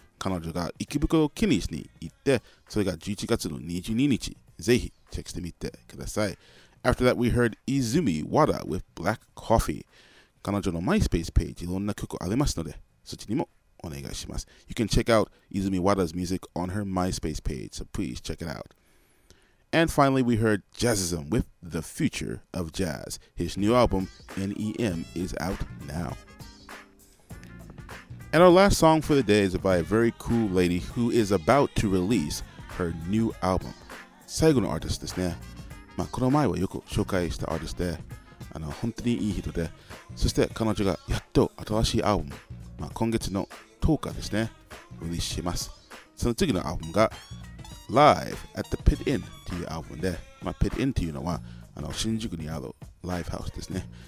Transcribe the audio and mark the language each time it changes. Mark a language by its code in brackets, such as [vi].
[ja] 彼女が池袋キニスに行って、それが11月の22日。ぜひチェックしてみてください。 [en] After that, we heard Izumi Wada with Black Coffee. [ja] 彼女の MySpace ページ、いろんな曲ありますので、そっちにもお願いします。 [en] You can check out Izumi Wada's music on her MySpace page, so please check it out. And finally, we heard Jazzism with The Future of Jazz. His new album, NEM, is out now. And our last song for the day is by a very cool lady who is about to release her new album. [ja] 最後のアーティストですね。まあ、この前はよく紹介したアーティストで、あの本当にいい人で、そして彼女がやっと新しいアルバム、まあ、今月の10日ですね、リリースします。その次のアルバムが Live at the Pit Inn というアルバムで、まあ、Pit Inn というのはあの新宿にあるライブハウスですね。